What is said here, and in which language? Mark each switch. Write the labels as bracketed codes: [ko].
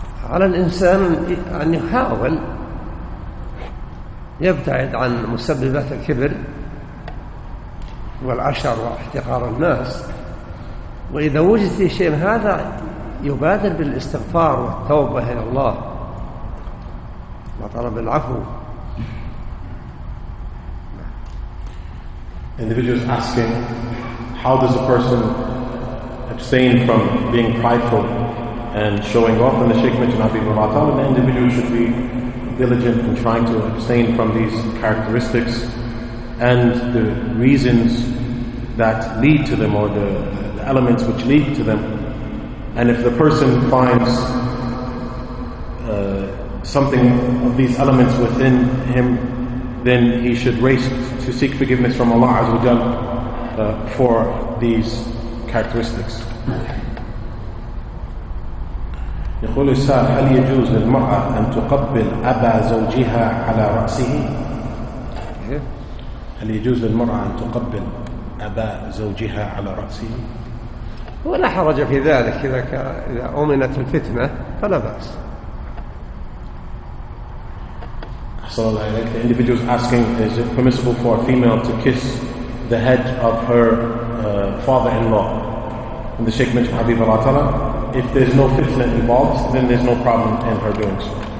[ar] على الإنسان أن يحاول يبتعد عن مسببات الكبر والعشر واحتقار الناس وإذا وجد في شيء هذا يبادر بالاستغفار والتوبة إلى الله وطلب العفو. [en] Individuals asking, how does a person abstain from being prideful and showing off? And the Shaykh mentioned Habib al-Atal, and the individual should be diligent in trying to abstain from these characteristics and the reasons that lead to them or the elements which lead to them. And if the person finds something of these elements within him, then he should race to seek forgiveness from Allah Azza wa Jal for these characteristics. [ar] يقول السائل هل يجوز للمرأة أن تقبل أبا زوجها على رأسه؟ هل يجوز للمرأة أن تقبل أبا زوجها على رأسه؟ ولا حرج في ذلك إذا أمنت الفتنة فلا بأس. [en] So like the individual is asking, is it permissible for a female to kiss the head of her father-in-law? And the Shaykh mentioned Habib al-Atala, if there's no fitna involved, then there's no problem in her doing so.